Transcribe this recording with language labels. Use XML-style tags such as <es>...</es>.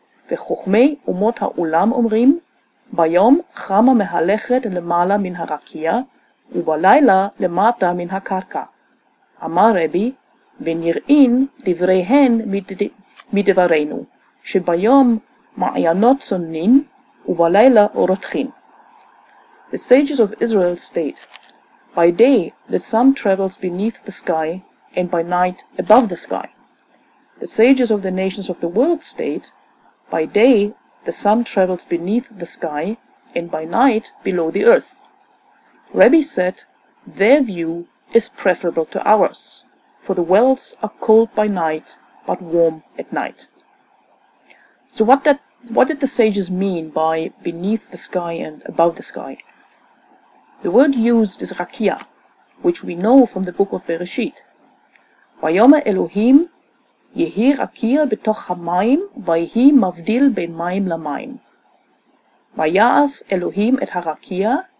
<he>וחוכמי אומות העולם אומרים, ביום חמה מהלכת למעלה מן הרקיע, ובלילה למטה מן הקרקע. אמר רבי, ונראין דבריהן מדברנו, שביום מעיינות צוננין, ובלילה רותחין.</he> <en>The sages of Israel state, by day the sun travels beneath the sky, and by night above the sky. The sages of the nations of the world state, by day, the sun travels beneath the sky, and by night, below the earth. Rebbe said, their view is preferable to ours, for the wells are cold by night, but warm at night. So what did the sages mean by beneath the sky and above the sky? The word used is rakia, which we know from the book of Bereshit.</en> <he>Vayomer Elohim, יהי רקיע בתוך המים, ויהי מבדיל בין מים למים. ויעש אלוהים את הרקיע,</he>